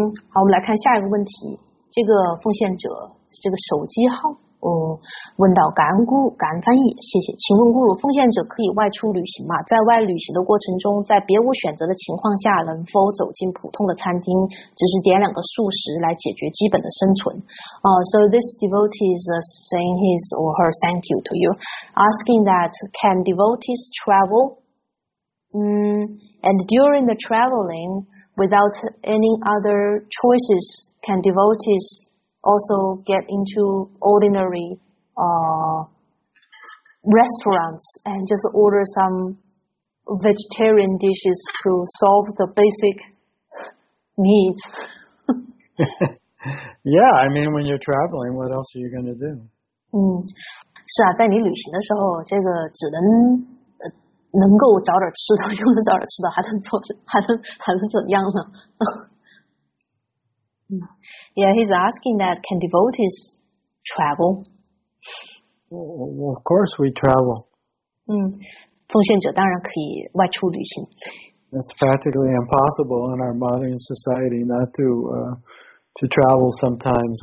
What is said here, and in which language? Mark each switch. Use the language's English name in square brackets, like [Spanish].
[Chinese] 好，我们来看下一个问题。这个奉献者，这个手机号。问到感恩咕噜，感恩翻译，谢谢。请问咕噜，奉献者可以外出旅行吗？在外旅行的过程中，在别无选择的情况下，能否走进普通的餐厅，只是点两个素食来解决基本的生存？ [English] So this devotee is saying his or her thank you to you, asking that can devotees travel? And during the traveling, without any other choices, can devotees? Also get into ordinary restaurants and just order some vegetarian dishes to solve the basic needs. Yeah, I mean, when you're traveling, what else are you going to do? [Chinese] 是啊，在你旅行的时候，这个只能能够找点吃的，又能找点吃的，还能怎样呢？ [English] Yeah, he's asking that can devotees travel? Well, of course we travel. [Chinese] 奉献者当然可以外出旅行。 [English] It's practically impossible in our modern society not to, to travel sometimes.